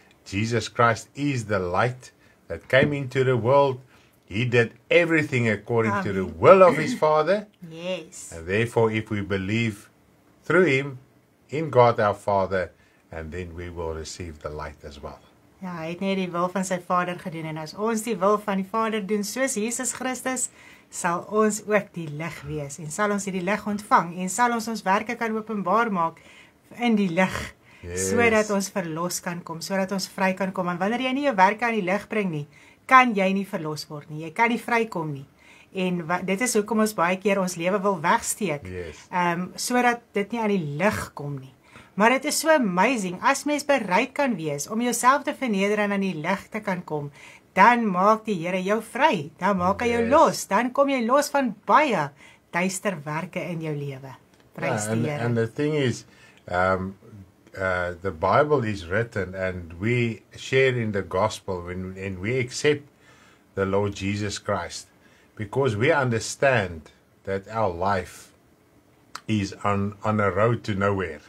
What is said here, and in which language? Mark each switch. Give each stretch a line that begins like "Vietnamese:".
English: Jesus Christ is the light that came into the world. He did everything according to the will of his Father. Yes. And therefore if we believe through him, in God our Father, and then we will receive the light as well.
Afrikaans: Ja, hy het net die wil van sy Vader gedoen, en as ons die wil van die Vader doen, soos Jesus Christus, sal ons ook die lig wees, en sal ons die lig ontvang, en sal ons ons werke kan openbaar maak in die lig,
English: yes,
Afrikaans: so dat ons verlos kan kom, so dat ons vry kan kom, en wanneer jy nie jou werke aan die lig bring nie, kan jy nie verlos word nie, jy kan nie vry kom nie. En dit is hoekom ons baie keer ons lewe wil wegsteek.
English: Yes.
Afrikaans: Sodat dit nie aan die lig kom nie. Maar dit is so amazing. As mens bereid kan wees om jouself te verneder en aan die lig te kan kom, dan maak die Here jou vry. Dan maak hy jou los. Dan kom jy los van baie duister werke in jou lewe. Prys die Here.
English: And the thing is, the Bible is written and we share in the gospel when and we accept the Lord Jesus Christ. Because we understand that our life is on a road to nowhere.